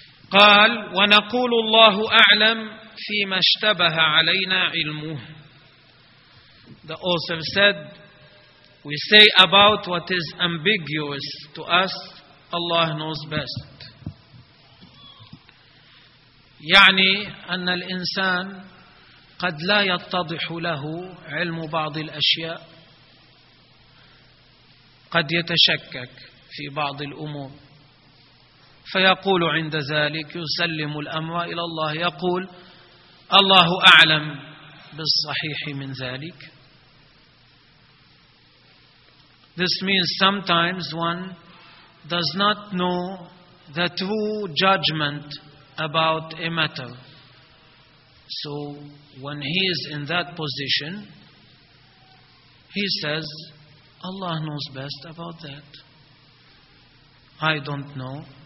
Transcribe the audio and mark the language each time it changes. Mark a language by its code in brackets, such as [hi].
[ar] قال ونقول الله أعلم فيما اشتبه علينا علمه. [en] The author said, we say about what is ambiguous to us, Allah knows best. [ar] يعني أن الإنسان قد لا يتضح له علم بعض الأشياء، قد يتشكك في بعض الأمور، فيقول عند ذلك يسلم الأمر إلى الله، يقول الله أعلم بالصحيح من ذلك. [en] This means sometimes one does not know the true judgment about a matter. So when he is in that position, he says, Allah knows best about that. I don't know.